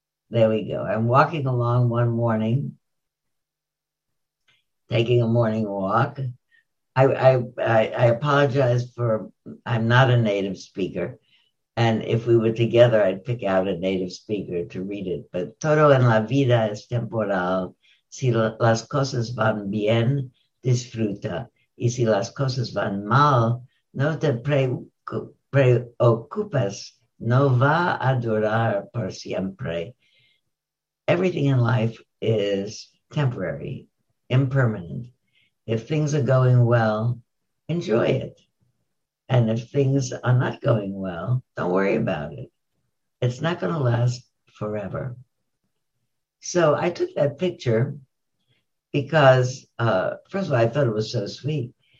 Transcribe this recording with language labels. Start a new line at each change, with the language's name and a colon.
English: There we go. I'm walking along one morning, taking a morning walk. I apologize for, I'm not a native speaker. And if we were together, I'd pick out a native speaker to read it.
Spanish: But todo en la vida es temporal. Si las cosas van bien, disfruta. Y si las cosas van mal, no te preocupes. No va a durar por siempre.
English: Everything in life is temporary, impermanent. If things are going well, enjoy it. And if things are not going well, don't worry about it. It's not going to last forever. So I took that picture because, first of all, I thought it was so sweet.